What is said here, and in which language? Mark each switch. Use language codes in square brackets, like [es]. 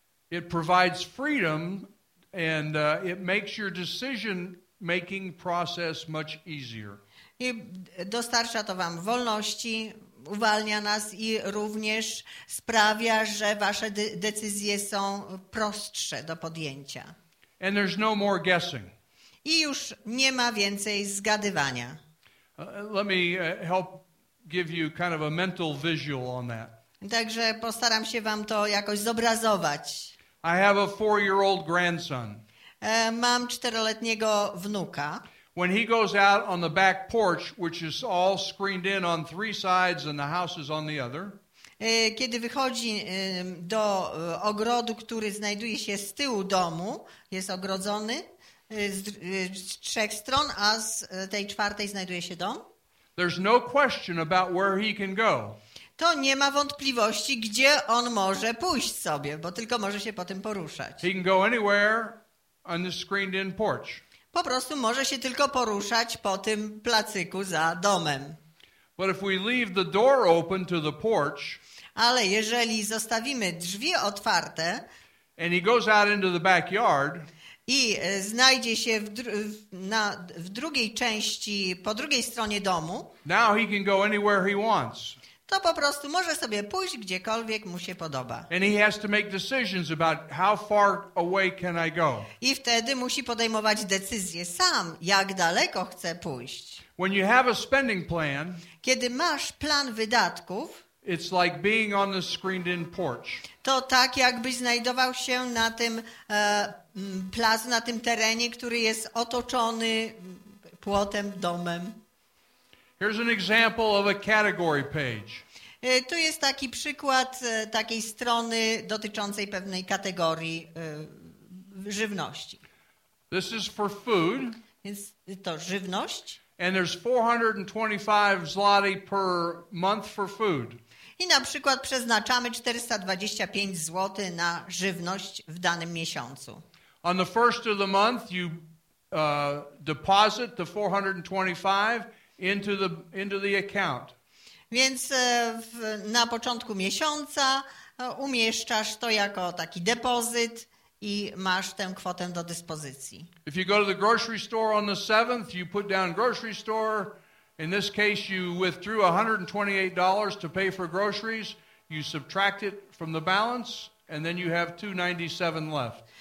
[en] It provides freedom and it makes your decision making process much easier. [pl] I dostarcza to wam wolności, uwalnia nas i również sprawia, że wasze decyzje są prostsze do podjęcia. [en] And there's no more guessing. [pl] I już nie ma więcej zgadywania. [en] Let me help give you kind of a mental visual on that. [pl] Także postaram się wam to jakoś zobrazować. [en] I have a 4-year-old grandson. [pl] Mam 4-letniego wnuka. [en] When he goes out on the back porch, which is all screened in on 3 sides and the house is on the other, [pl] kiedy wychodzi do ogrodu, który znajduje się z tyłu domu, jest ogrodzony z 3 stron, a z tej 4. znajduje się dom. [en] There's no question about where he can go. [pl] To nie ma wątpliwości, gdzie on może pójść sobie, bo tylko może się po tym poruszać. [en] He can go anywhere on this screened in porch. [pl] Po prostu może się tylko poruszać po tym placyku za domem. [en] But if we leave the door open to the porch, [pl] ale jeżeli zostawimy drzwi otwarte [en] and he goes out into the backyard, [pl] i znajdzie się w drugiej części, po drugiej stronie domu, [en] now he can go anywhere he wants. [pl] To to po prostu może sobie pójść gdziekolwiek mu się podoba. [en] And he has to make decisions about how far away can I go. [pl] I wtedy musi podejmować decyzję sam, jak daleko chce pójść. [en] When you have a spending plan, [pl] kiedy masz plan wydatków, [en] it's like being on the screened-in porch. [pl] To tak, jakbyś znajdował się na tym placu, na tym terenie, który jest otoczony płotem, domem. [en] Here's an example of a category page. [pl] Tu jest taki przykład takiej strony dotyczącej pewnej kategorii żywności. [en] This is for food. [pl] Więc to żywność. [en] And there's 425 zloty per month for food. [pl] I na przykład przeznaczamy 425 zł na żywność w danym miesiącu. [en] On the first of the month you deposit the 425 into the account. [pl] Więc na początku miesiąca umieszczasz to jako taki depozyt i masz tę kwotę do dyspozycji. [en] If you go to the grocery store on the 7th, you put down grocery store. In this case, you withdrew $128 to pay for groceries. You subtract it from the balance, and then you have $297 left.